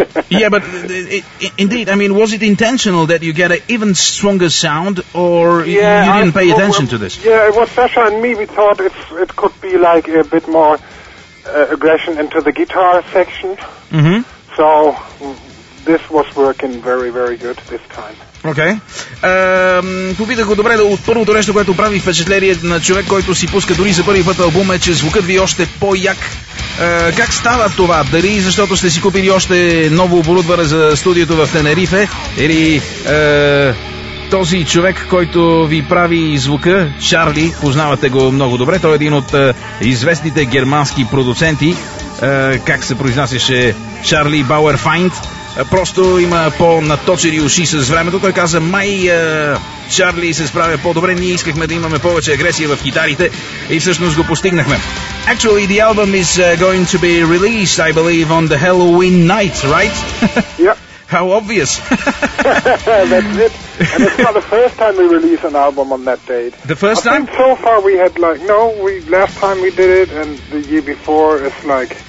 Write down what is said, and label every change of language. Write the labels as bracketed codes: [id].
[en] Yeah, but indeed, I mean, was it intentional that you get an even stronger sound, or you didn't pay attention to this? Yeah, it was Sasha and me. We thought it could be like a bit more aggression into the guitar section. Mm-hmm. So this was working very, very good this time. [bg] Окей. Попитах го, добре, от първото нещо, което прави впечатление на човек, който си пуска дори за първи път албум, е, че звукът ви още по-як. Как става това? Дали защото сте си купили още ново оборудване за студиото в Тенерифе? Или този човек, който ви прави звука, Чарли, познавате го много добре, той е един от известните германски продуценти, как се произнасяше, Чарли Бауерфайнд. Просто има по-наточени уши с времето. Той каза, май Чарли се справя по-добре. Ние искахме да имаме повече агресия в китарите и всъщност го постигнахме. [en] Actually, the album is going to be released, I believe, on the Halloween night, right? Yeah. How obvious. That's it. And it's not the first time we release an album on that date. The first time? I think so far we had last time we did it and the year before it's like...